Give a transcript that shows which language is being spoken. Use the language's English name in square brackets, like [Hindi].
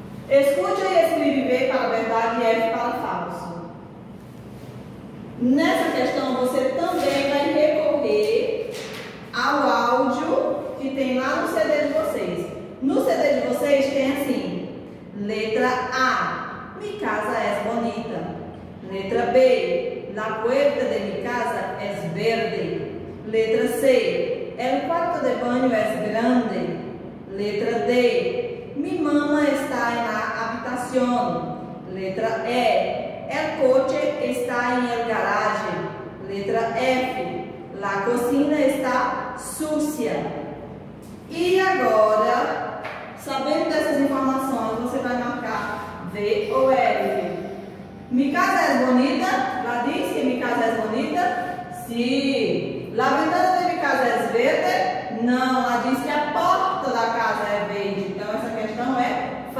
[Portuguese] Escute e escreve B para verdade e F para falso. Nessa questão, você também vai recorrer ao áudio que tem lá no CD de vocês. No CD de vocês tem assim: letra A, [Spanish] mi casa es bonita. Letra B, la puerta de mi casa es verde. Letra C, el cuarto de baño es grande. Letra D, mi mamá está en la habitación. Letra E, el coche está en el garage. Letra F, la cocina está sucia. [Portuguese] E agora, sabendo dessas informações, você vai marcar V ou L. [Spanish] Mi casa es bonita? La dice, mi casa es bonita? Sí. La ventana de mi casa es verde? [Portuguese] Não, ela diz que a porta da casa é verde. Então, essa questão é